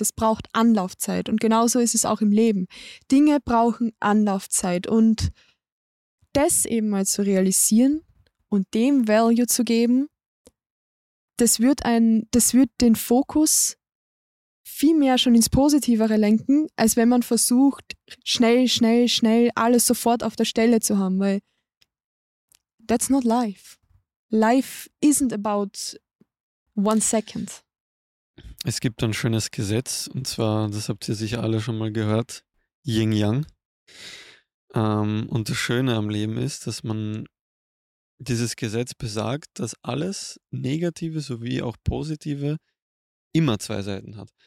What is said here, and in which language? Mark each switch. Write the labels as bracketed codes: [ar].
[de] Das braucht Anlaufzeit und genauso ist es auch im Leben. Dinge brauchen Anlaufzeit und das eben mal zu realisieren und dem Value zu geben, das wird den Fokus viel mehr schon ins Positivere lenken, als wenn man versucht, schnell, schnell, schnell alles sofort auf der Stelle zu haben, weil [en] that's not life. Life isn't about one second. [de] Es gibt ein schönes Gesetz, und zwar, das habt ihr sicher alle schon mal gehört, Yin-Yang. Und das Schöne am Leben ist, dass man dieses Gesetz besagt, dass alles Negative sowie auch Positive immer zwei Seiten hat.